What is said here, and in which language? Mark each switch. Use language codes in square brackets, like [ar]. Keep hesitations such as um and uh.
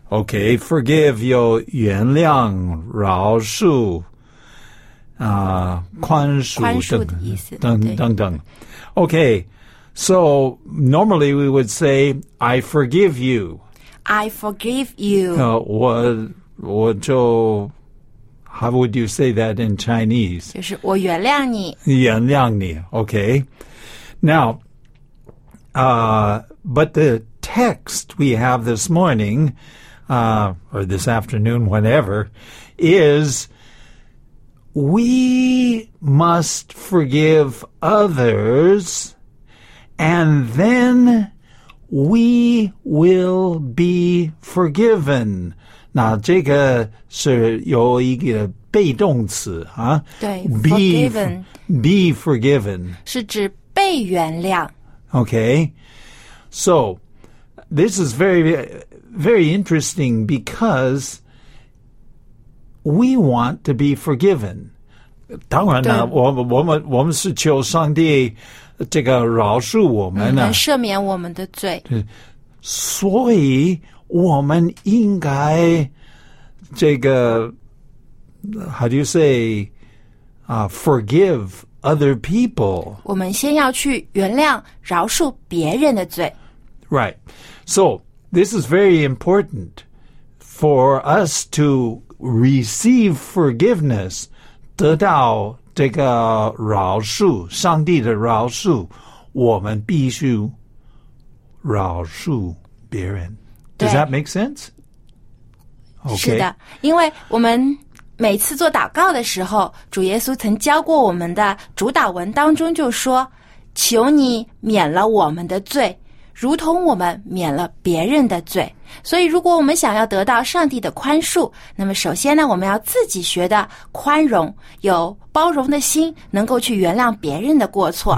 [zh] Okay, forgive 有原谅、饶恕啊、宽恕等等等等。 [en] Okay. So normally we would say, I forgive you. I forgive you. Uh, what, what, how would you say that in Chinese? [zh] 原諒你, okay. [en] Now, uh, but the text we have this morning, uh, or this afternoon, whatever, is we must forgive others and then we will be forgiven. [zh] 那这个是有一个被动词啊， [en] 对，be forgiven，be forgiven, for, forgiven. [zh] 是指被原谅。 [en] OK，so、okay. So, this is very very interesting because we want to be forgiven。 [zh] 当然了，我我们我们是求上帝。这个饶恕我们呢、啊，嗯、赦免我们的罪。 [en] 对， [zh] 所以我们应该这个 [en] how do you say 啊、uh,，forgive other people。 [zh] 我们先要去原谅、饶恕别人的罪。 [en] Right. So this is very important for us to receive forgiveness. [zh] 得到这个饶恕，上帝的饶恕，我们必须饶恕别人。 [en] Does that make sense?、Okay. [zh] 是的，因为我们每次做祷告的时候，主耶稣曾教过我们的主导文当中就说：“求你免了我们的罪。 ”如同我们免了别人的罪，所以如果我们想要得到上帝的宽恕，那么首先呢，我们要自己学的宽容，有包容的心，能够去原谅别人的过错。